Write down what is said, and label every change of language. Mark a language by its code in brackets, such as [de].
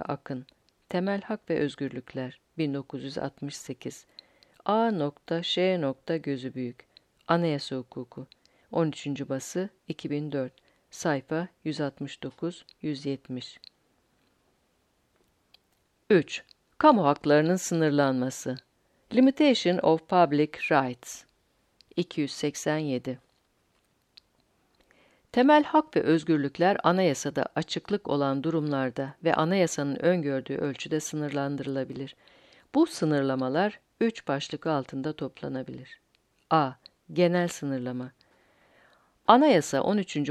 [tr] Akın Temel Hak ve Özgürlükler 1968 A. Ş. Gözübüyük Anayasa Hukuku 13. bası 2004, sayfa 169-170. 3. Kamu haklarının sınırlanması. [en] Limitation of Public Rights. [tr] 287. Temel hak ve özgürlükler anayasada açıklık olan durumlarda ve anayasanın öngördüğü ölçüde sınırlandırılabilir. Bu sınırlamalar 3 başlık altında toplanabilir. A. Genel sınırlama. Anayasa 13.